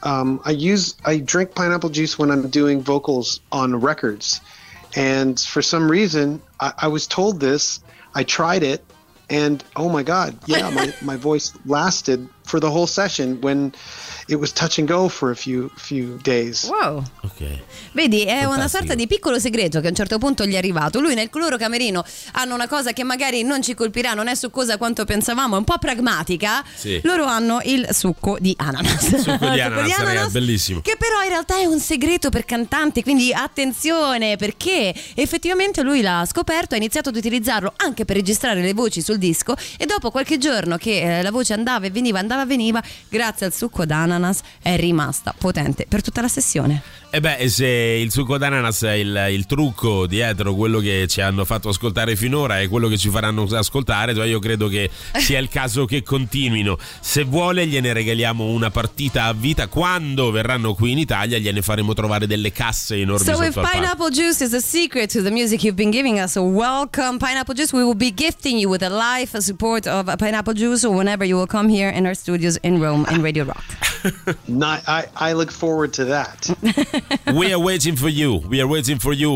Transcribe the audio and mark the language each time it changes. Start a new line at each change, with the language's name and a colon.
English: I drink pineapple juice when I'm doing vocals on records, and for some reason I was told this, I tried it, and oh my god, yeah, my voice lasted for the whole session when it was touch and go for a few days. Wow. Okay.
Italian: Vedi, è fantastico. Una sorta di piccolo segreto che a un certo punto gli è arrivato. Lui nel loro camerino hanno una cosa che magari non ci colpirà, non è succosa quanto pensavamo, è un po' pragmatica. Sì. Loro hanno il succo di ananas. Succo di ananas, bellissimo. Che però in realtà è un segreto per cantanti, quindi attenzione, perché effettivamente lui l'ha scoperto, ha iniziato ad utilizzarlo anche per registrare le voci sul disco, e dopo qualche giorno che la voce andava e veniva, grazie al succo d'ananas è rimasta potente per tutta la sessione. E beh, se il succo d'ananas è il trucco dietro quello che ci hanno fatto ascoltare finora e quello che ci faranno ascoltare, io credo che sia il caso che continuino. Se vuole gliene regaliamo una partita a vita, quando verranno qui in Italia gliene faremo trovare delle casse enormi.
English: So if pineapple juice is a secret to the music you've been giving us, welcome pineapple juice. We will be gifting you with a life support of a pineapple juice whenever you will come here in our studios in Rome in Radio Rock. I look forward to that. We are waiting for you. We are waiting for you.